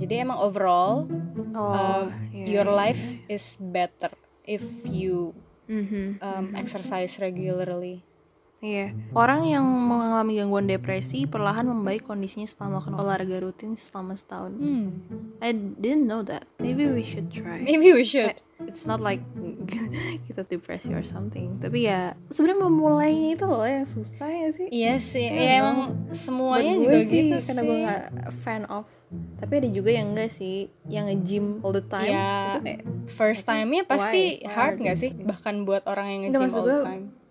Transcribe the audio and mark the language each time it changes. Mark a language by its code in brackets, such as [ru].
[id] Jadi emang [en] overall your life is better if you exercise regularly. [id] Iya. Orang yang mengalami gangguan depresi perlahan membaik kondisinya setelah melakukan olahraga rutin selama setahun. [en] I didn't know that. Maybe we should try. Maybe we should. It's not like [id] kita depresi [en] or something. [id] Tapi ya sebenarnya memulainya itu loh yang susah ya sih. Iya sih. Ya emang semuanya juga gue gitu sih. Karena gue gak fan of. Tapi ada juga yang enggak sih, yang nge-gym [en] all the time. [id] Iya. First time-nya pasti hard enggak sih? Bahkan buat orang yang nge-gym [en] all the time.